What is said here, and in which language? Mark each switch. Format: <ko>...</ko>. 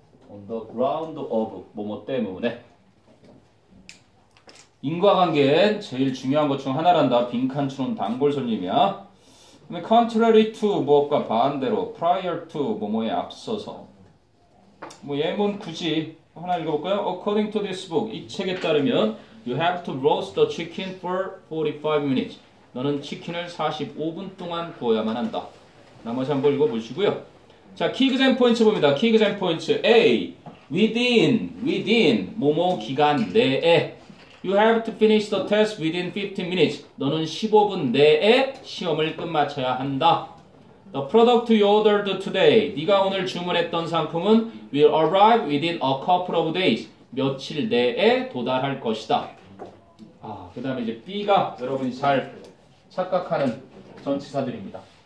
<en>On the ground of,</en> <ko>뭐뭐 때문에. 인과관계엔 제일 중요한 것 중 하나란다. 빈칸추론 단골손님이야. Contrary to, 무엇과 반대로. Prior to, 뭐뭐에 앞서서. 뭐 예문 굳이 하나 읽어볼까요?</ko> <en>According to this book,</en> <ko>이 책에 따르면</ko> <en>You have to roast the chicken for 45 minutes.</en> <ko>너는 치킨을 45분 동안 구워야만 한다. 나머지 한번 읽어보시고요. 자, 키그젠 포인트 봅니다. 키그젠 포인트 A. Within, 뭐뭐 기간 내에.</ko> <en>You have to finish the test within 15 minutes.</en> <ko>너는 15분 내에 시험을 끝마쳐야 한다.</ko> <en>The product you ordered today.</en> <ko>네가 오늘 주문했던 상품은</ko> <en>will arrive within a couple of days.</en> <ko>며칠 내에 도달할 것이다. 아, 그 다음에 이제 B가 여러분이 잘 착각하는 전치사들입니다.</ko>